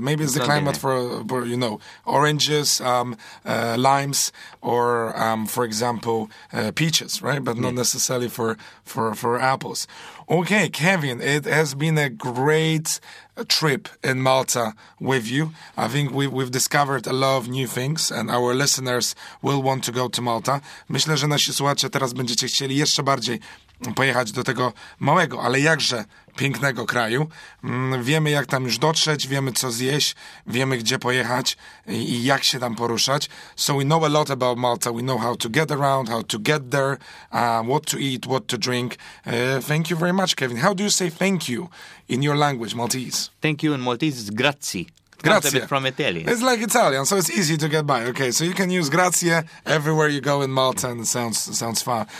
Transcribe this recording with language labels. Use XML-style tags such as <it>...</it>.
<en>Maybe it's the climate for you know, oranges, limes, or, for example, peaches, right? But not necessarily for apples. Okay, Kevin, it has been a great trip in Malta with you. I think we've discovered a lot of new things and our listeners will want to go to Malta.</en> <pl>Myślę, że nasi słuchacze teraz będziecie chcieli jeszcze bardziej pojechać do tego małego, ale jakże pięknego kraju. Wiemy, jak tam już dotrzeć, wiemy, co zjeść, wiemy, gdzie pojechać i jak się tam poruszać.</pl> <en>So we know a lot about Malta. We know how to get around, how to get there, what to eat, what to drink. Thank you very much, Kevin. How do you say thank you in your language, Maltese? Thank you in Maltese is grazie. grazie. Comes a bit from Italian. It's like Italian, so it's easy to get by. Okay, so you can use grazie everywhere you go in Malta, and sounds fun.</en>